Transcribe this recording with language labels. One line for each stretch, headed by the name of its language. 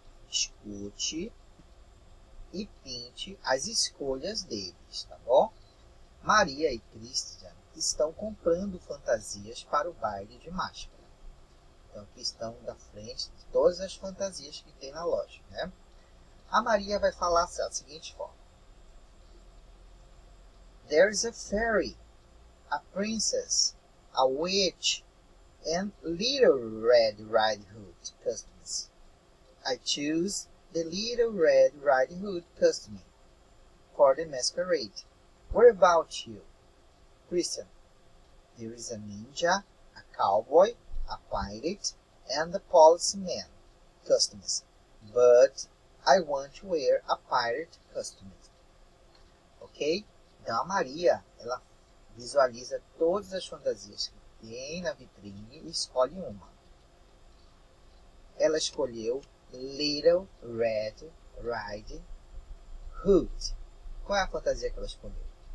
Portuguese: Escute e pinte as escolhas deles, tá bom? Maria e Christian estão comprando fantasias para o baile de máscara. Então, que estão da frente de todas as fantasias que tem na loja, né? A Maria vai falar da seguinte forma.
English: There is a fairy, a princess, a witch, and Little Red Riding Hood customs. I choose the Little Red Riding Hood customs for the masquerade. What about you? Christian, there is a ninja, a cowboy, a pirate, and a policeman customs. But I want to wear a pirate costume. Ok?
Portuguese: Então, a Maria, ela visualiza todas as fantasias que tem na vitrine e escolhe uma. Ela escolheu Little Red Riding Hood. Qual é a fantasia que ela escolheu?